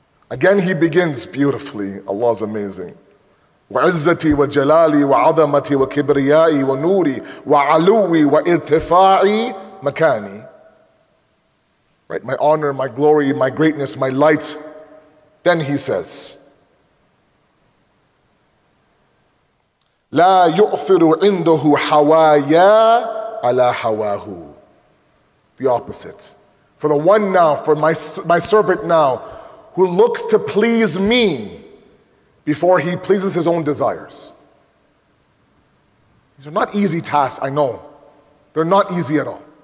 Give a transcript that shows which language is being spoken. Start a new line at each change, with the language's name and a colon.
English: Again, he begins beautifully. Allah is amazing.
Arabic: وَعِزَّتِي وَجَلَالِي وَعَظَمَتِي وَكِبْرِيَائِي وَنُورِي وَعَلُوِّي وَإِرْتِفَاعِي مَكَانِي.
English: Right, my honor, my glory, my greatness, my light. Then he says,
Arabic: لا يؤثر عنده حوايا على حواه.
English: The opposite. For the one now, for my servant now, who looks to please me before he pleases his own desires. These are not easy tasks, I know. They're not easy at all.